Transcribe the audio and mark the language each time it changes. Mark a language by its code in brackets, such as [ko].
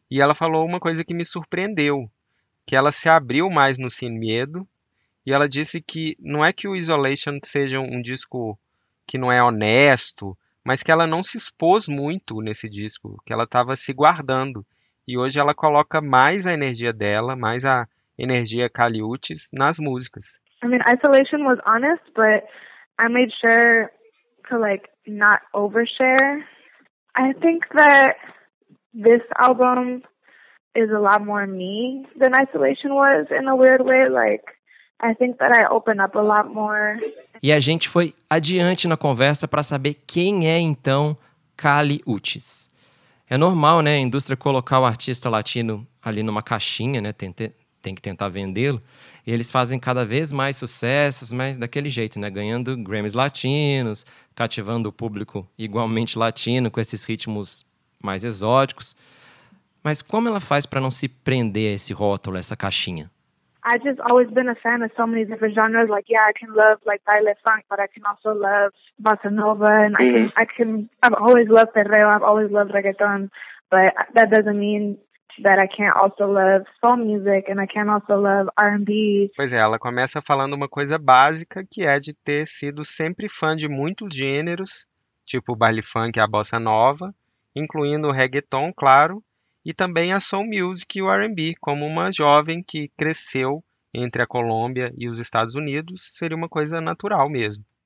[pt] E ela falou uma coisa que me surpreendeu, que ela se abriu mais no Sin Miedo, e ela disse que não é que o Isolation seja um disco que não é honesto, mas que ela não se expôs muito nesse disco, que ela estava se guardando. E hoje ela coloca mais a energia dela, mais a energia Kali Uchis nas músicas. [en] I mean, Isolation was honest, but I made sure to like not overshare. I think that this album is a lot more me than Isolation was in a weird way. Like, I think that I open up a lot more. [pt] E a gente foi adiante na conversa para saber quem é então Kali Uchis. É normal, né, a indústria colocar o artista latino ali numa caixinha, né, tem que tentar vendê-lo, e eles fazem cada vez mais sucessos, mas daquele jeito, né? Ganhando Grammys latinos, cativando o público igualmente latino, com esses ritmos mais exóticos. Mas como ela faz para não se prender a esse rótulo, a essa caixinha? [en] I've just always been a fan of so many different genres. Like, yeah, I can love, like, baile funk, but I can also love bossa nova, and I've always loved perreo, I've always loved reggaeton, but that doesn't mean that I can't also love soul music and I can also love R&B. [pt] Pois é, ela começa falando uma coisa básica, que é de ter sido sempre fã de muitos gêneros, tipo o baile funk e a bossa nova, incluindo o reggaeton, claro, e também a soul music e o R&B, como uma jovem que cresceu entre a Colômbia e os Estados Unidos, seria uma coisa natural mesmo.